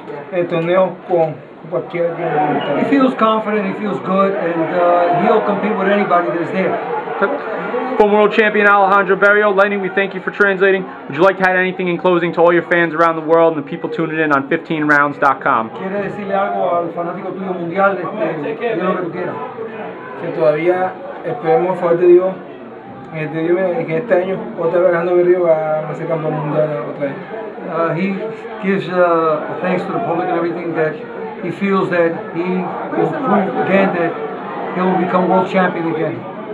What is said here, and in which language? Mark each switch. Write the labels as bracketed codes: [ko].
[en] feels confident, he feels good, and he'll compete with anybody that is there. Okay. Former world champion Alejandro Berrio, Lenny, we thank you for translating. Would you like to add anything in closing to all your fans around the world and the people tuning in on 15rounds.com? [es] ¿Quieres decirle algo al fanático tuyo mundial? Yo lo que quiera. Que todavía esperemos a favor de Dios. [en] He gives thanks to the public and everything that he feels that he will prove again that he will become world champion again.